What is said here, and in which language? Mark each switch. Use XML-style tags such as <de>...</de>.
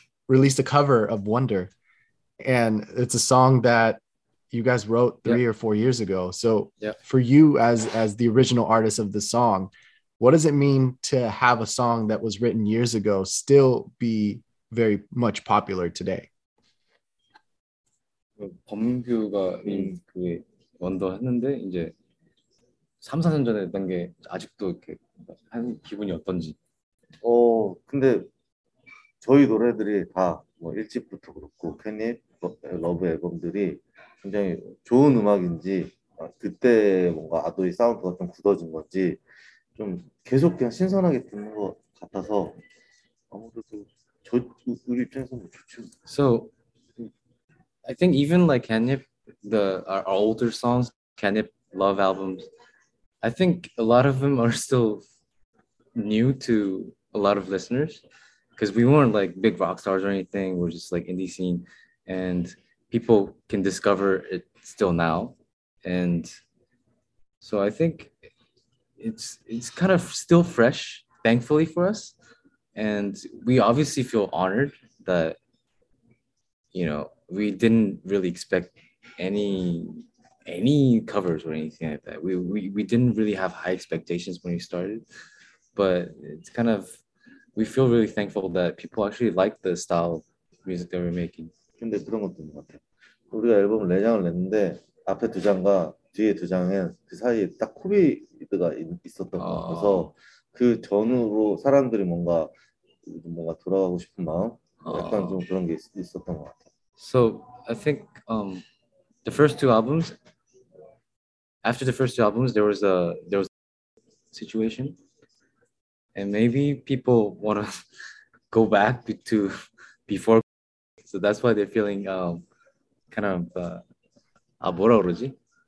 <en>released a cover of Wonder, and it's a song that you guys wrote three or 4 years ago. So for you as the original artist of the song, what does it mean to have a song that was written years ago still be very much popular today?</en> <ko>범규가 그게 원더 했는데 이제 3, 4년 전에 했던 게 아직도 이렇게 한 기분이 어떤지. 어, 근데 저희 노래들이 다 뭐 1집부터 그렇고 팬이 러브 앨범들이 굉장히 좋은 음악인지 그때 뭔가 아도이 사운드가 좀 굳어진 건지 좀 계속 그냥 신선하게 듣는 것 같아서 아무래도 저 우리 입장에서는 좋죠.</ko> <en>So I think even like Kenip, the our older songs, Kenip Love albums, I think a lot of them are still new to a lot of listeners because we weren't like big rock stars or anything. We're just like indie scene and people can discover it still now. And so I think it's kind of still fresh, thankfully for us. And we obviously feel honored that, you know, we didn't really expect any covers or anything like that. We didn't really have high expectations when we started, but it's kind of, we feel really thankful that people actually like the style of music that we're making.</en> <ko>근데 그런 것도 있는 것 같아요. 우리가 앨범을 4장을 냈는데 앞에 두 장과 뒤에 두 장은 그 사이에 딱 코비드가 있었던 것 같아서 그 전후로 사람들이 뭔가 돌아가고 싶은 마음 약간 좀 그런 게 있었던 것 같아요.</ko> <en>So I think the first two albums, after the first two albums, there was a situation, and maybe people want to go back to before, so that's why they're feeling kind of</en> <ko>뭐라 그러지?</ko>